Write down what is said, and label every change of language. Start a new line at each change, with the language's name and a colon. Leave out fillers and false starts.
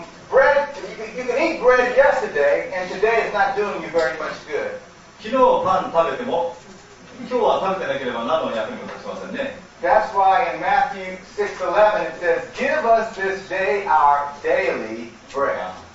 English: Bread, you can eat bread yesterday, and today is not doing you very much good.
Japanese: 昨日パン食べても、今日は食べてなければ何の役にも立ちませんね。
English: That's why in Matthew 6:11 it says, "Give us this day our daily bread."